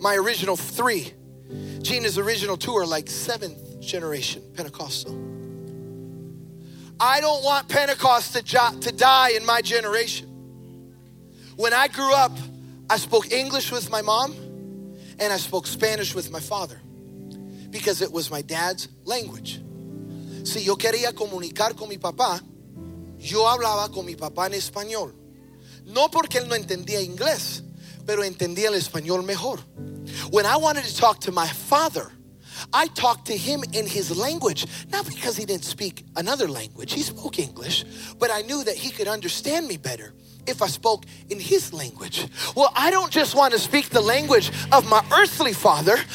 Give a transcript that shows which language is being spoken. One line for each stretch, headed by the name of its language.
English: My original three. Gina's original two are like seventh generation Pentecostal. I don't want Pentecost to die in my generation. When I grew up, I spoke English with my mom and I spoke Spanish with my father because it was my dad's language.
Spanish: Si yo quería comunicar con mi papá, yo hablaba con mi papá en español. No porque él no entendía inglés, pero entendía el español mejor.
English: When I wanted to talk to my father, I talked to him in his language, not because he didn't speak another language. He spoke English, but I knew that he could understand me better if I spoke in his language. Well, I don't just want to speak the language of my earthly father.